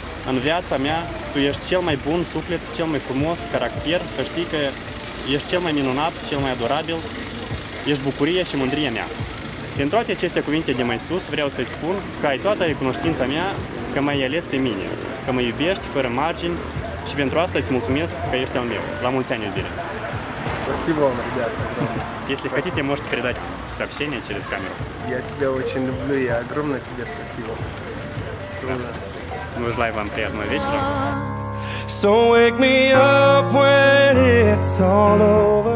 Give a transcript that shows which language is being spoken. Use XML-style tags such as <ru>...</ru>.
<ro>În viața mea, tu ești cel mai bun suflet, cel mai frumos caracter, să știi că ești cel mai minunat, cel mai adorabil, ești bucurie și mândrie mea. Pentru toate aceste cuvinte de mai sus, vreau să-ți spun că ai toată recunoștința mea, că m-ai ales pe mine, că mă iubești fără margini și pentru asta îți mulțumesc că ești al meu. La mulți ani, iubire!</ro> <ru>Спасибо вам, ребята. Если хотите, можете передать сообщение через камеру. Я тебя очень люблю, я огромное тебе спасибо. Мы желаем вам приятного вечера.</ru> <en>So wake me up when it's all over.</en>